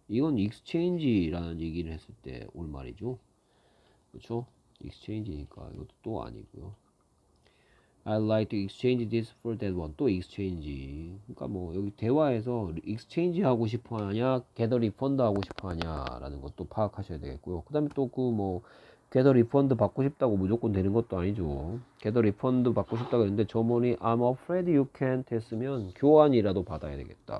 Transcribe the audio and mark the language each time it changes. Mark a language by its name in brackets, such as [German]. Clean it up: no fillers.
[Korean] 이건 익스체인지라는 얘기를 했을 때올 말이죠. 그렇죠? 익스체인지니까 이것도 또 아니고요. [English] I'd like to exchange this for that one. [Korean] 또 익스체인지. 그러니까 뭐 여기 대화에서 익스체인지 하고 싶어 하냐, [English] get a refund [Korean] 하고 싶어 하냐라는 것도 파악하셔야 되겠고요. 그다음에 또그뭐 [English] Get a refund [Korean] 받고 싶다고 무조건 되는 것도 아니죠. [English] Get a refund [Korean] 받고 싶다고 했는데 점원이 [English] I'm afraid you can't [Korean] 했으면 교환이라도 받아야 되겠다.